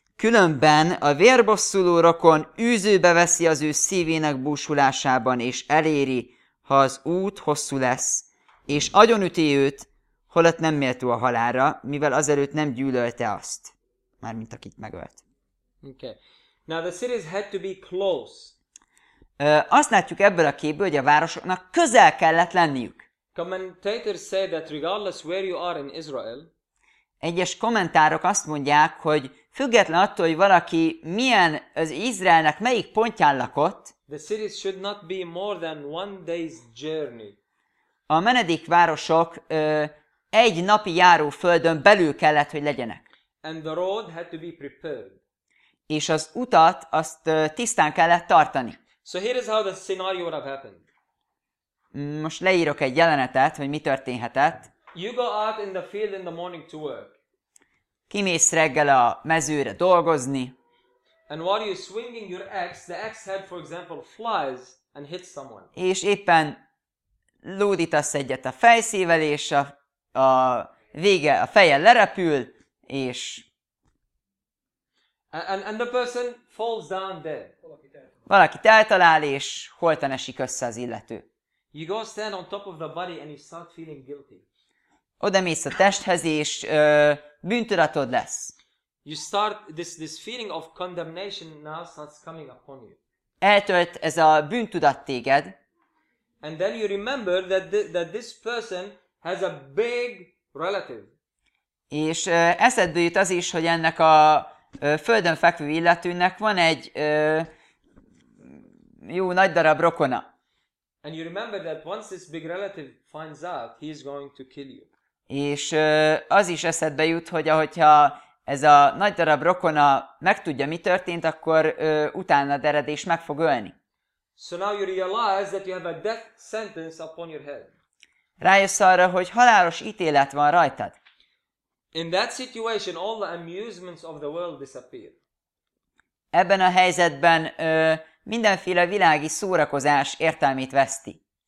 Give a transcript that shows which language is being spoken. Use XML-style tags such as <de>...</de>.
<hu>Különben a vérbosszuló rokon űzőbe veszi az ő szívének búsulásában, és eléri, ha az út hosszú lesz, és agyonüti őt, holott nem méltó a halálra, mivel azelőtt nem gyűlölte azt. Mármint akit megölt.</hu> <en>Okay. Now the cities had to be close.</en> <hu>Azt látjuk ebből a képből, hogy a városoknak közel kellett lenniük.</hu> <en>Commentators say that regardless where you are in Israel,</en> <hu>egyes kommentárok azt mondják, hogy független attól, hogy valaki milyen az Izraelnek melyik pontján lakott,</hu> <en>the cities should not be more than one day's journey.</en> <hu>A menedék városok egy napi járó földön belül kellett, hogy legyenek.</hu> <en>And the road had to be prepared.</en> <hu>És az utat azt tisztán kellett tartani.</hu> <en>So here is how the scenario would have happened.</en> <hu>Most leírok egy jelenetet, hogy mi történhetett.</hu> <en>You go out in the field in the morning to work.</en> <hu>Kimész reggel a mezőre dolgozni.</hu> <en>And while you're swinging your axe, the axe head, for example, flies and hits someone.</en> <hu>És éppen lódítasz egyet a fejszével, és a vége a fejjel lerepül, és</hu> <en>and the person falls down dead.</en> <hu>Valakit eltalál, és holtan esik össze az illető.</hu> <en>You go stand on top of the body and you start feeling guilty.</en> <hu>Oda mész a testhez, és bűntudatod lesz.</hu> <en>You start this feeling of condemnation now starts coming upon you.</en> <hu>Eltölt ez a bűntudat téged.</hu> <en>And then you remember that that this person has a big relative.</en> <hu>És eszedbe jut az is, hogy ennek a földön fekvő illetőnek van egy jó nagy darab rokona.</hu> <en>And you remember that once this big relative finds out, he is going to kill you.</en> <hu>És az is eszedbe jut, hogy ahogyha ez a nagy darab rokona megtudja, mi történt, akkor utána dered és meg fog ölni.</hu> <en>So now you realize that you have a death sentence upon your head.</en> <hu>Rájössz arra, hogy halálos ítélet van rajtad.</hu> <en>In that situation, all the amusements of the world disappear.</en> <hu>Ebben a helyzetben mindenféle világi szórakozás értelmét veszti.</hu>